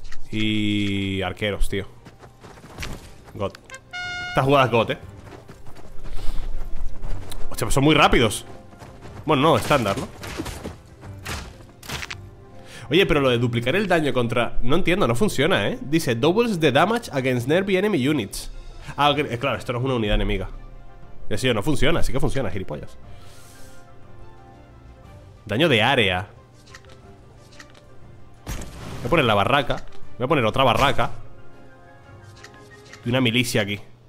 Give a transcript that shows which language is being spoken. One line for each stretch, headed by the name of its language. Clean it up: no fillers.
Spanish: Y arqueros, tío. God. Estas jugadas God, eh. Hostia, pues son muy rápidos. Bueno, no, estándar, ¿no? Oye, pero lo de duplicar el daño contra... No entiendo, no funciona, ¿eh? Dice,
English: doubles the damage against nearby enemy units. Ah, okay.
Spanish: Claro, esto no es una unidad enemiga. Ya sé, no funciona, sí que funciona, gilipollas. Daño de área. Voy a poner la barraca. Voy a poner otra barraca. Y una milicia aquí.